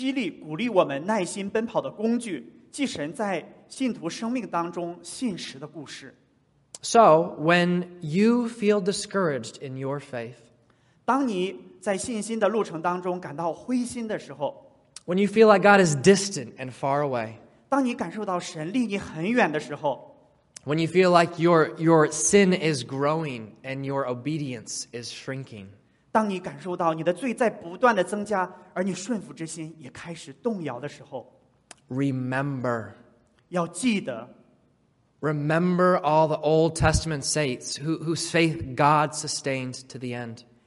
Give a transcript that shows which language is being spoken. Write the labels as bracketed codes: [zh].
[zh] 所以希伯来书12章前半部分给了激励鼓励我们耐心奔跑的工具, 即神在信徒生命当中信实的故事。 [en] So, when you feel discouraged in your faith, [zh] 当你在信心的路程当中感到灰心的时候, [en] when you feel like God is distant and far away, [zh] 当你感受到神离你很远的时候, [en] when you feel like your sin is growing and your obedience is shrinking, [zh] 当你感受到你的罪在不断的增加, 而你顺服之心也开始动摇的时候, [en] remember, [zh] 要记得, [en] remember all the Old Testament saints whose faith God sustained to the end.